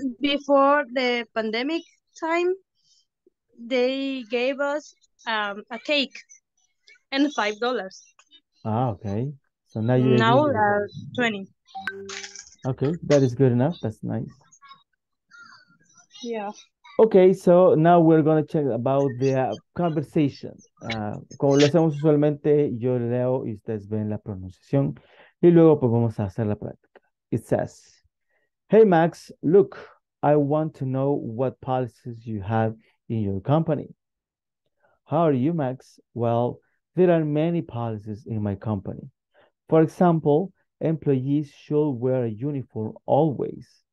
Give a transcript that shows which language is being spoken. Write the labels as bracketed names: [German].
[English] And before the pandemic time, they gave us a cake and $5. Ah, okay. So now you now are 20. Okay, that is good enough. That's nice. Yeah. Okay, so now we're going to check about the conversation. [Spanish] Como lo hacemos usualmente, yo leo y ustedes ven la pronunciación. Y luego pues vamos a hacer la práctica. [English] It says, hey, Max, look, I want to know what policies you have in your company. How are you, Max? Well, there are many policies in my company. For example, employees should wear a uniform always.